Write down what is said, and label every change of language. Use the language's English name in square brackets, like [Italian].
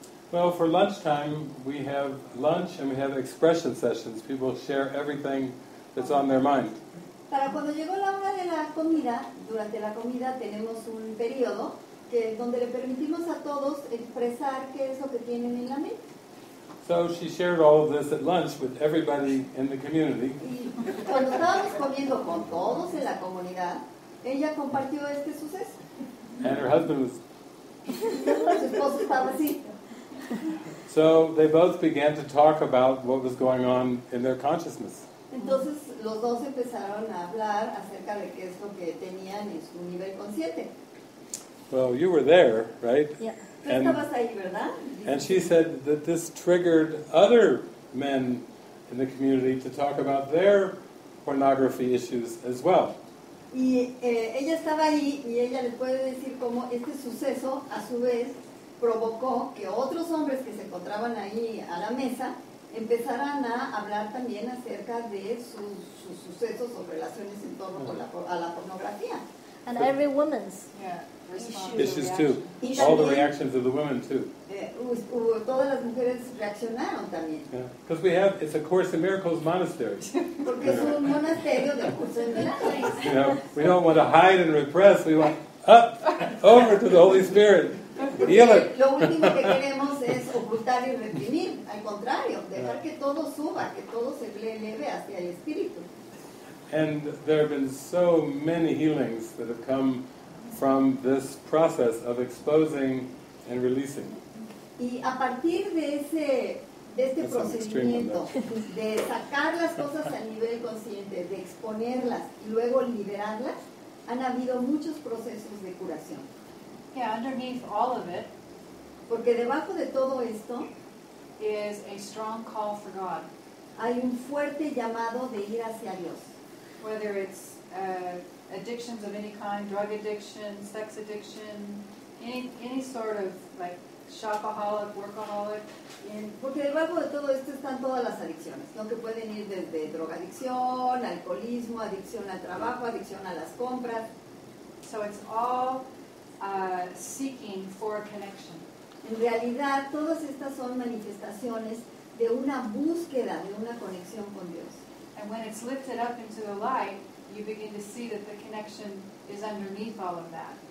[English] Well, for lunchtime, we have lunch and we have expression sessions. People share everything that's on their mind. [Spanish] Para cuando llegó la hora de la comida, durante la comida tenemos un periodo que donde le permitimos a todos expresar qué es lo que tienen en la mente. [English] So she shared all of this at lunch with everybody in the community. [Spanish] Cuando estábamos comiendo con todos en la comunidad, ella compartió este suceso. [English] And her husband was... [Spanish] Su esposo estaba así. [English] So they both began to talk about what was going on in their consciousness. [Spanish] Entonces los dos empezaron a hablar acerca de qué es lo que tenían en su nivel consciente. [English] Well, you were there, right? Yeah. [Spanish] And, estabas ahí, ¿verdad? [English] And she said that this triggered other men in the community to talk about their pornography issues as well. [Spanish] Y ella estaba ahí y ella le puede decir cómo este suceso a su vez provocó que otros hombres que se encontraban ahí a la mesa empezaran a hablar también acerca de sus sucesos o relaciones en torno a la pornografía. [English] And so, every woman's issues too. Y all the reactions of the women too. [Spanish] Todas las mujeres reaccionaron también. [English] Because we have, it's a Course in Miracles monastery. [Spanish] Porque es un monasterio del Curso de Milagros. [English] You know, we don't want to hide and repress. We want up, over to the Holy Spirit. Heal it. [Spanish] Lo último que queremos es ocultar y reprimir. Al contrario, dejar que todo suba, que todo se eleve hacia el Espíritu. [English] And there have been so many healings that have come from this process of exposing and releasing. [Spanish] Y a partir de este procedimiento de sacar las cosas al nivel consciente, de exponerlas y luego liberarlas, han habido muchos procesos de curación. [English] Yeah, underneath all of it, [Spanish] porque debajo de todo esto [English] is a strong call for God. [Spanish] Hay un fuerte llamado de ir hacia Dios. [English] Whether it's addictions of any kind, drug addiction, sex addiction, any sort of like shopaholic, workaholic. [Spanish] Porque debajo de todo esto están todas las adicciones, ¿no? Que pueden ir desde drogadicción, alcoholismo, adicción al trabajo, adicción a las compras. [English] So it's all seeking for a connection. [Spanish] En realidad, todas estas son manifestaciones de una búsqueda, de una conexión con Dios. [English] And when it's lifted up into the light, you begin to see that the connection is underneath all of that.